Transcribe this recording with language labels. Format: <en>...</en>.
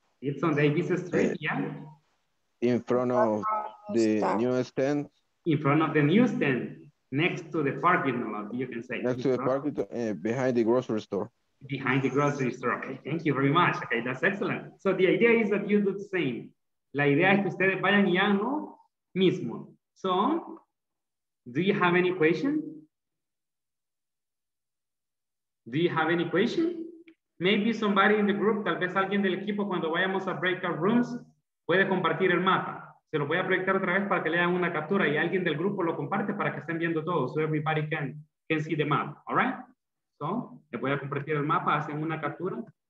<en>It's on Davis Street, yeah. In front of the newsstand. In front of the newsstand, next to the parking lot, you can say. Next to the parking lot, behind the grocery store. Behind the grocery store, okay. Thank you very much. Okay, that's excellent. So the idea is that you do the same.</en> <es>La idea es que ustedes vayan y hagan lo mismo.</es> <en>So, do you have any question? Do you have any question? Maybe somebody in the group,</en> <es>tal vez alguien del equipo, cuando vayamos a breakout rooms, puede compartir el mapa. Se lo voy a proyectar otra vez para que le hagan una captura y alguien del grupo lo comparte para que estén viendo todos.</es> <en>So everybody can see the map, all right?</en> <es>So, le voy a compartir el mapa, hacen una captura.</es>